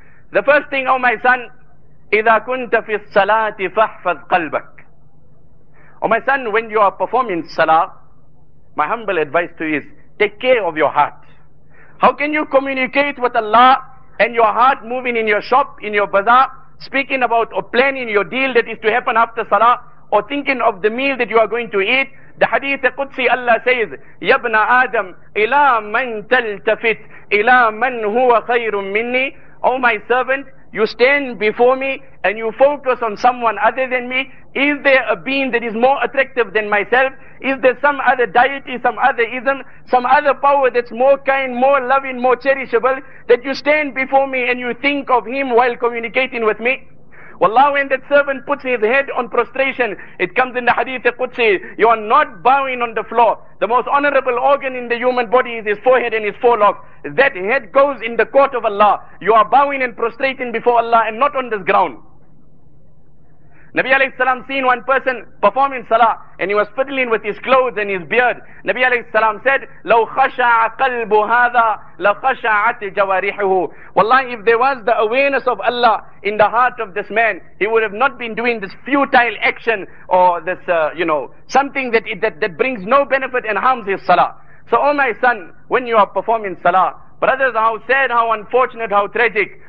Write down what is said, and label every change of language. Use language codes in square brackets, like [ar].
[en] The first thing, oh my son, [ar] إِذَا كُنْتَ فِي الصَّلَاةِ فَحْفَظْ قَلْبَكَ. [en] Oh my son, when you are performing salah, my humble advice to you is, take care of your heart. How can you communicate with Allah and your heart moving in your shop, in your bazaar, speaking about or planning your deal that is to happen after salah, or thinking of the meal that you are going to eat? The hadith Qudsi, Allah says, [ar] يَبْنَ آدَمْ إِلَى مَنْ تَلْتَفِتْ إِلَى مَنْ هُوَ خَيْرٌ مِنِّي. [en] Oh my servant, you stand before me and you focus on someone other than me. Is there a being that is more attractive than myself? Is there some other deity, some other ism, some other power that's more kind, more loving, more cherishable, that you stand before me and you think of him while communicating with me? Wallah, when that servant puts his head on prostration, it comes in the hadith Qudsi, you are not bowing on the floor. The most honorable organ in the human body is his forehead and his forelock. That head goes in the court of Allah. You are bowing and prostrating before Allah and not on this ground. Nabi alayhi salam seen one person performing salah and he was fiddling with his clothes and his beard. Nabi alayhi salam said, [ar] لَوْ خَشَعَ قَلْبُ هَذَا لَخَشَعَتْ جَوَارِحُهُ. [en] Wallahi, if there was the awareness of Allah in the heart of this man, he would have not been doing this futile action or this, something that brings no benefit and harms his salah. So, oh my son, when you are performing salah, brothers, how sad, how unfortunate, how tragic.